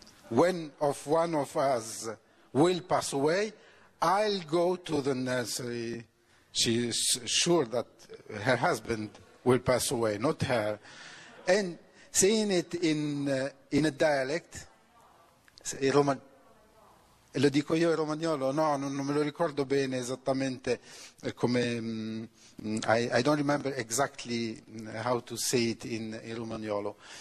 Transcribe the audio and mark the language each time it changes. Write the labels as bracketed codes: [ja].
[en] When of one of us will pass away, I'll go to the nursery. She's sure that her husband will pass away, not her. And seeing it in a dialect, in Roman. [it] E lo dico io in romagnolo? No, non me lo ricordo bene esattamente come... [en] I don't remember exactly how to say it in romagnolo.